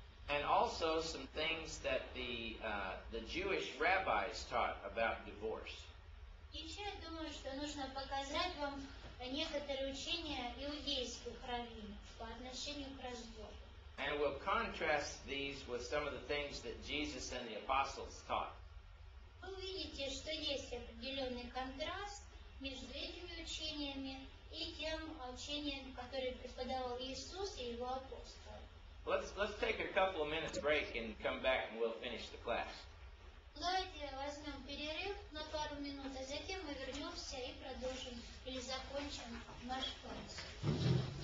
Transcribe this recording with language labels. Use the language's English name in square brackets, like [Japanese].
[English] And also some things that the Jewish rabbis taught about divorce. [Russian] Еще я думаю, что нужно показать вам некоторые учения иудейских раввинов по отношению к разводу. [English] And we'll contrast these with some of the things that Jesus and the apostles taught. [Russian] Вы увидите, что есть определенный контраст между этими учениями и тем учением, которое преподавал Иисус и его апостолы. [English] Let's take a couple of minutes break and come back and we'll finish the class. [Russian] Давайте возьмем перерыв на пару минут, а затем мы вернемся и продолжим или закончим наш класс.